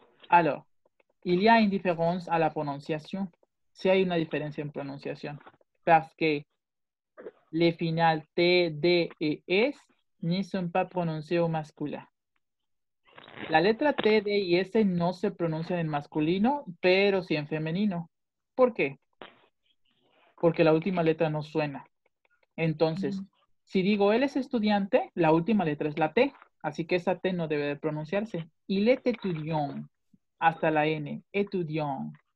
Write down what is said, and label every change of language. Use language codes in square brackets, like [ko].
[fr] Alors, il y a une différence à la prononciation. [es] Si hay una diferencia en pronunciación. [fr] Parce que les finales T, D et S ne sont pas prononcés au masculin. [es] La letra T, D y S no se pronuncian en masculino, pero sí en femenino. ¿Por qué? Porque la última letra no suena. Entonces, si digo él es estudiante, la última letra es la T. Así que esa T no debe de pronunciarse. [fr] Il est étudiant. [es] Hasta la N. Étudiant.